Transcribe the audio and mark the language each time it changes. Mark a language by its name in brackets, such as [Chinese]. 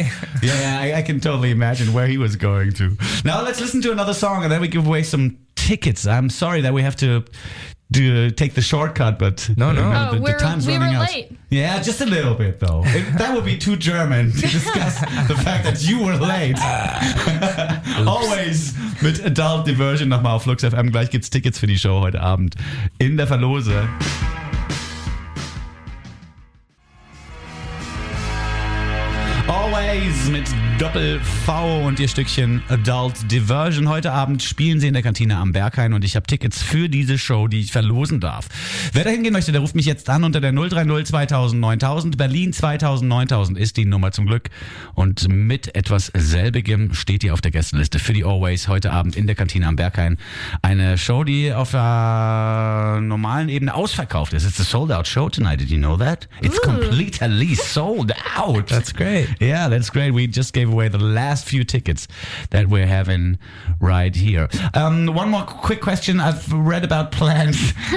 [English] I can totally imagine where he was going to. Now let's listen to another song and then we give away some tickets. I'm sorry that we have to take the shortcut, but the time's running out. We were late. Yeah, just a little bit, though. That would be too German to discuss the fact that you were late. [German] Always mit Adult Diversion nochmal auf Lux FM. Gleich gibt's Tickets für die Show heute Abend in der Verlose. Always mit Doppel-V und ihr Stückchen Adult Diversion. Heute Abend spielen sie in der Kantine am Berghain und ich habe Tickets für diese Show, die ich verlosen darf. Wer da hingehen möchte, der ruft mich jetzt an unter der 030 2000 9000. Berlin 2000 9000 ist die Nummer zum Glück. Und mit etwas selbigem steht ihr auf der Gästeliste für die Always heute Abend in der Kantine am Berghain. Eine Show, die auf der normalen Ebene ausverkauft ist. [English] It's a sold-out show tonight, did you know that? It's completely sold out. That's great. Yeah, that's great. We just gave away the last few tickets that we're having right here. One more quick question. I've read about plans.